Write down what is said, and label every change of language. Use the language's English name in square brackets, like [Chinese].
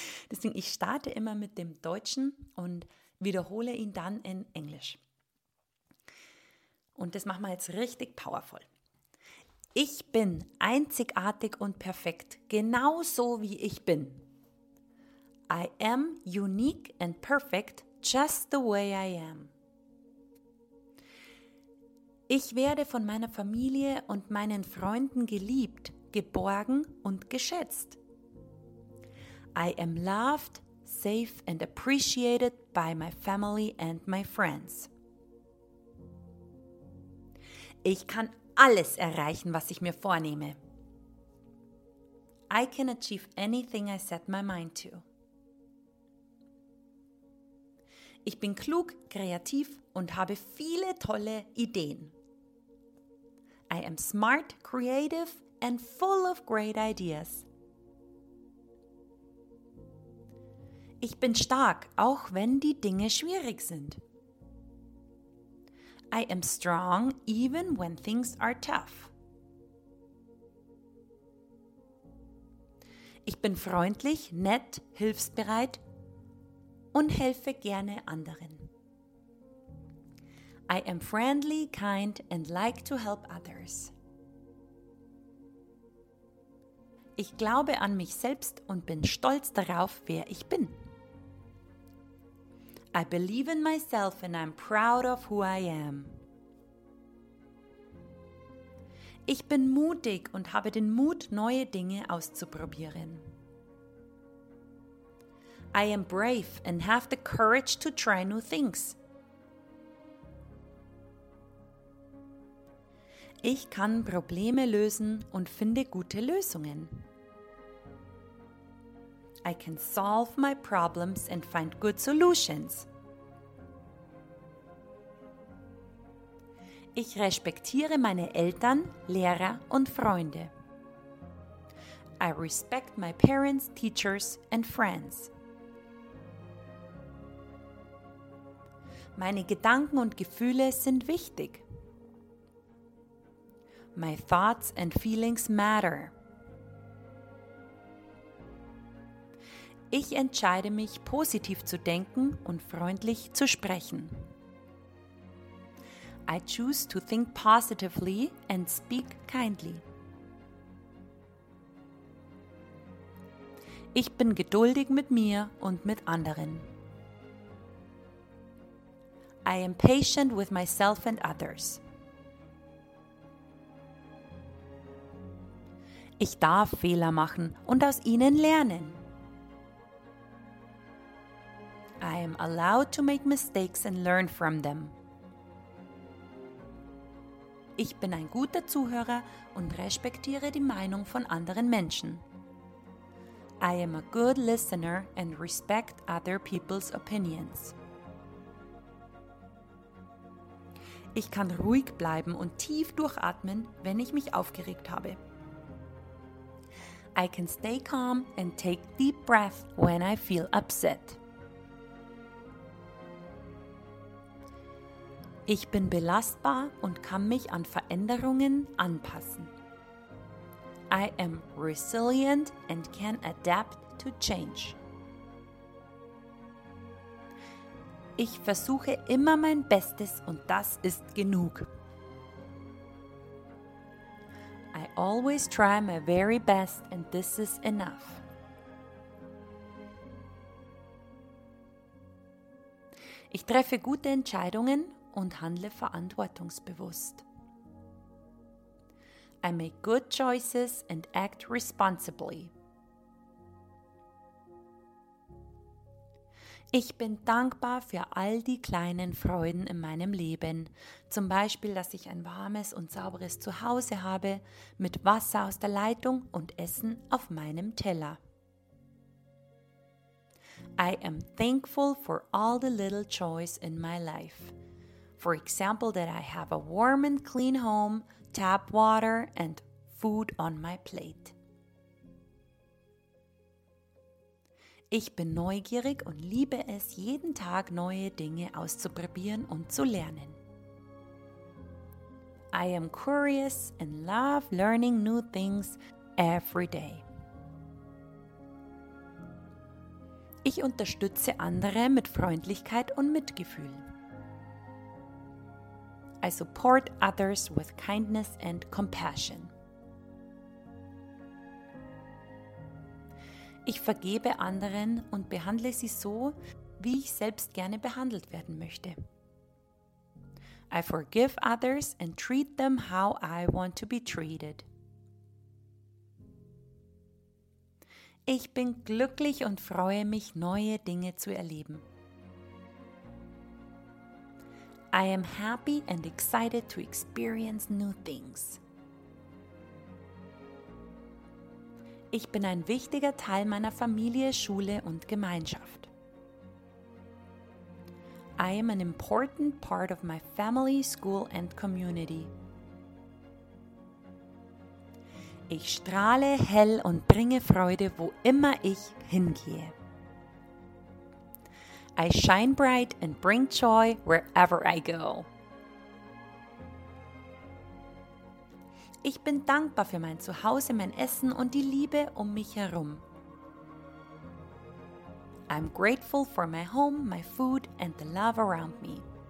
[German] Deswegen, ich starte immer mit dem Deutschen und wiederhole ihn dann in Englisch. Und das machen wir jetzt richtig powerful. Ich bin einzigartig und perfekt, genau so wie ich bin. [English] I am unique and perfect just the way I am. [German] Ich werde von meiner Familie und meinen Freunden geliebt, geborgen und geschätzt. [English] I am loved, safe and appreciated by my family and my friends. [German] Ich kann alles erreichen, was ich mir vornehme. [English] I can achieve anything I set my mind to. [German] Ich bin klug, kreativ und habe viele tolle Ideen. [English] I am smart, creative and full of great ideas. [German] Ich bin stark, auch wenn die Dinge schwierig sind. [English] I am strong, even when things are tough. [German] Ich bin freundlich, nett, hilfsbereit und helfe gerne anderen. [English] I am friendly, kind and like to help others. [German] Ich glaube an mich selbst und bin stolz darauf, wer ich bin. [English] I believe in myself and I'm proud of who I am. [German] Ich bin mutig und habe den Mut, neue Dinge auszuprobieren. [English] I am brave and have the courage to try new things. [German] Ich kann Probleme lösen und finde gute Lösungen. [English] I can solve my problems and find good solutions. [German] Ich respektiere meine Eltern, Lehrer und Freunde. [English] I respect my parents, teachers and friends. [German] Meine Gedanken und Gefühle sind wichtig. [English] My thoughts and feelings matter. [German] Ich entscheide mich, positiv zu denken und freundlich zu sprechen. [English] I choose to think positively and speak kindly. [German] Ich bin geduldig mit mir und mit anderen. [English] I am patient with myself and others. [German] Ich darf Fehler machen und aus ihnen lernen. [English] I am allowed to make mistakes and learn from them. [German] Ich bin ein guter Zuhörer und respektiere die Meinung von anderen Menschen. [English] I am a good listener and respect other people's opinions. [German] Ich kann ruhig bleiben und tief durchatmen, wenn ich mich aufgeregt habe. [English] I can stay calm and take deep breath when I feel upset. [German] Ich bin belastbar und kann mich an Veränderungen anpassen. [English] I am resilient and can adapt to change. [German] Ich versuche immer mein Bestes und das ist genug. [English] I always try my very best and this is enough. [German] Ich treffe gute Entscheidungen und handle verantwortungsbewusst. [English] I make good choices and act responsibly. [German] Ich bin dankbar für all die kleinen Freuden in meinem Leben, zum Beispiel, dass ich ein warmes und sauberes Zuhause habe, mit Wasser aus der Leitung und Essen auf meinem Teller. [English] I am thankful for all the little joys in my life. For example, that I have a warm and clean home, tap water and food on my plate. [German] Ich bin neugierig und liebe es, jeden Tag neue Dinge auszuprobieren und zu lernen. [English] I am curious and love learning new things every day. [German] Ich unterstütze andere mit Freundlichkeit und Mitgefühl. [English] I support others with kindness and compassion. [German] Ich vergebe anderen und behandle sie so, wie ich selbst gerne behandelt werden möchte. [English] I forgive others and treat them how I want to be treated. [German] Ich bin glücklich und freue mich, neue Dinge zu erleben. [English] I am happy and excited to experience new things. [German] Ich bin ein wichtiger Teil meiner Familie, Schule und Gemeinschaft. [English] I am an important part of my family, school and community. [German] Ich strahle hell und bringe Freude, wo immer ich hingehe. [English] I shine bright and bring joy wherever I go. [German] Ich bin dankbar für mein Zuhause, mein Essen und die Liebe um mich herum. [English] I'm grateful for my home, my food and the love around me.